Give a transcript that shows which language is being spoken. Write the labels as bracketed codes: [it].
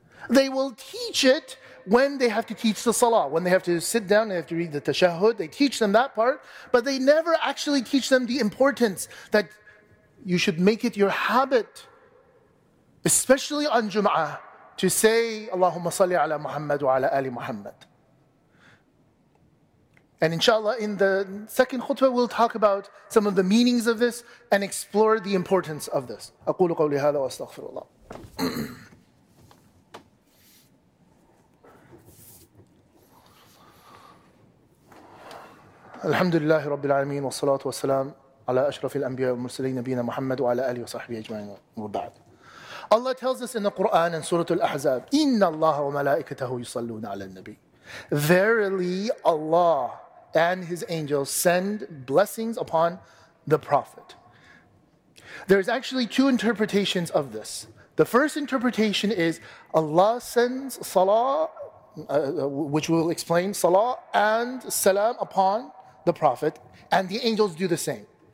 [en] They will teach it when they have to teach the salah, when they have to sit down, they have to read the tashahud, they teach them that part, but they never actually teach them the importance that you should make it your habit, especially on Jum'ah, to say, Allahumma salli ala Muhammad wa ala Ali Muhammad. And inshallah, in the second khutbah, we'll talk about some of the meanings of this and explore the importance of this. [ar] أقول قولي هذا وأستغفر الله. الحمد لله رب العالمين والصلاة والسلام على أشرف الأنبياء والمرسلين نبينا محمد وعلى آله وصحبه أجمعين وبعد. [en] Allah tells us in the Quran and Surah Al-Ahzab, [ar] إن الله وملائكته يصلون على النبي. [en] Verily Allah and His angels send blessings upon the Prophet. There is actually two interpretations of this. The first interpretation is Allah sends salah, which we'll explain, salah and salam upon the Prophet, and the angels do the same.